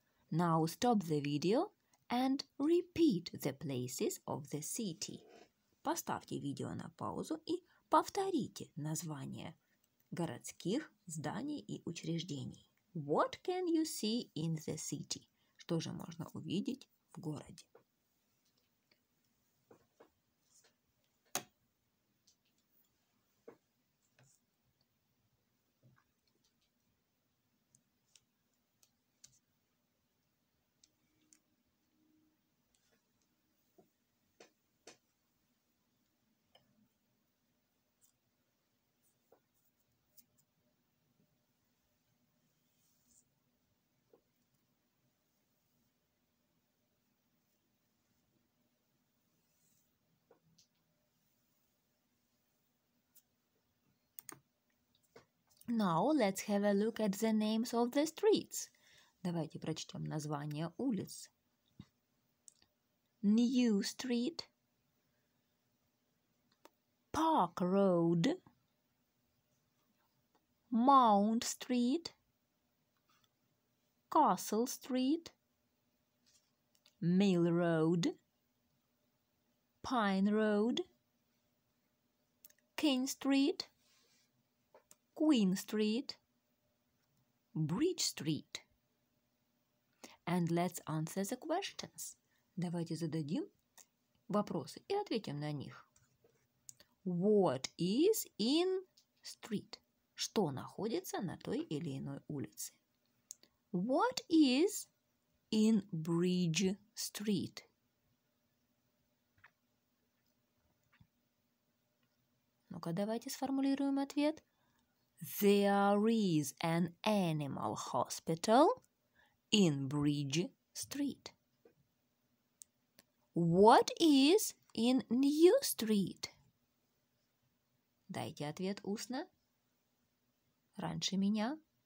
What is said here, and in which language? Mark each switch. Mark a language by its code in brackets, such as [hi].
[en] Now stop the video and repeat the places of the city. [ru] Поставьте видео на паузу и повторите названия городских зданий и учреждений. [en] What can you see in the city? [ru] Что же можно увидеть в городе? [en] Now let's have a look at the names of the streets. [ru] Давайте прочтем названия улиц. [en] New Street, Park Road, Mount Street, Castle Street, Mill Road, Pine Road, King Street, Queen Street, Bridge Street. And let's answer the questions. [ru] Давайте зададим вопросы и ответим на них. [en] What is in street? [ru] Что находится на той или иной улице? [en] What is in Bridge Street? [ru] Ну-ка, давайте сформулируем ответ. [en] There is an animal hospital in Bridge Street. What is in New Street? [ru] Дайте ответ устно. Раньше меня.